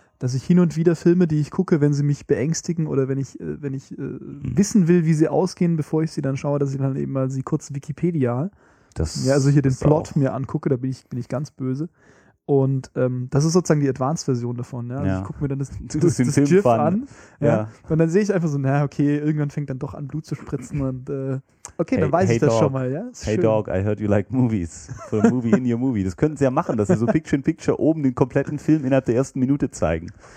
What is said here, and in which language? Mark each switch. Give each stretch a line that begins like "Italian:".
German: dass ich hin und wieder Filme, die ich gucke, wenn sie mich beängstigen oder wenn ich wissen will, wie sie ausgehen, bevor ich sie dann schaue, dass ich dann eben mal sie kurz Wikipedia, das ja, also hier den Plot auch mir angucke, da bin ich ganz böse. Und das ist sozusagen die Advanced-Version davon. Ja? Also ja. Ich gucke mir dann das GIF an. Ja? Ja. Und dann sehe ich einfach so, na okay, irgendwann fängt dann doch an, Blut zu spritzen. Und okay, hey, dann weiß hey ich dog. Das schon mal. Ja? Hey schön.
English: Dog, I heard you like movies. Put a movie in your movie.
German: Das könnten sie ja machen, dass sie so Picture-in-Picture oben den kompletten Film innerhalb der ersten Minute zeigen.